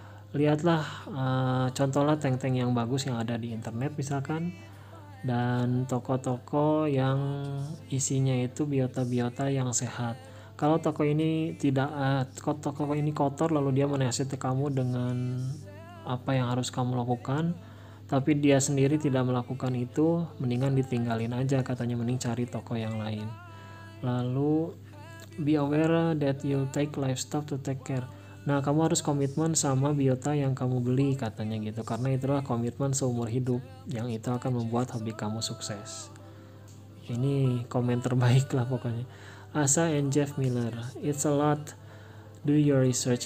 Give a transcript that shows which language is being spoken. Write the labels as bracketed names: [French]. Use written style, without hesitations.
[Indonesian] Lihatlah, contohlah tank-tank yang bagus yang ada di internet misalkan, dan toko-toko yang isinya itu biota-biota yang sehat. Kalau toko ini tidak toko ini kotor, lalu dia menasihati kamu dengan apa yang harus kamu lakukan, tapi dia sendiri tidak melakukan itu, mendingan ditinggalin aja katanya, mending cari toko yang lain. Lalu [English] be aware that you take livestock to take care. [Indonesian] Nah, kamu harus komitmen sama biota yang kamu beli katanya gitu, karena itulah komitmen seumur hidup yang itu akan membuat hobi kamu sukses. Ini komen terbaik lah pokoknya. [English] Asa and Jeff Miller, it's a lot, do your research.